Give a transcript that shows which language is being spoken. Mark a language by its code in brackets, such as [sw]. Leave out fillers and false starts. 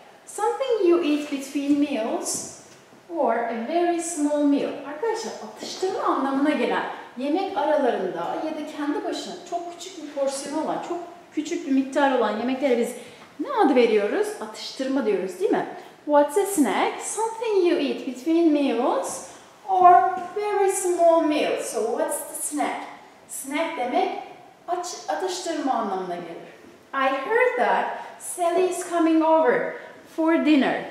[en] Something you eat between meals or a very small meal. [tr] Arkadaşlar, atıştırma anlamına gelen yemek aralarında ya da kendi başına çok küçük bir porsiyon olan, çok küçük bir miktar olan yemeklere biz ne adı veriyoruz? Atıştırma diyoruz, değil mi? [en] What's a snack? Something you eat between meals or very small meals. So what's the snack? [tr] Snack demek atıştırma anlamına gelir. [en] I heard that Sally is coming over for dinner.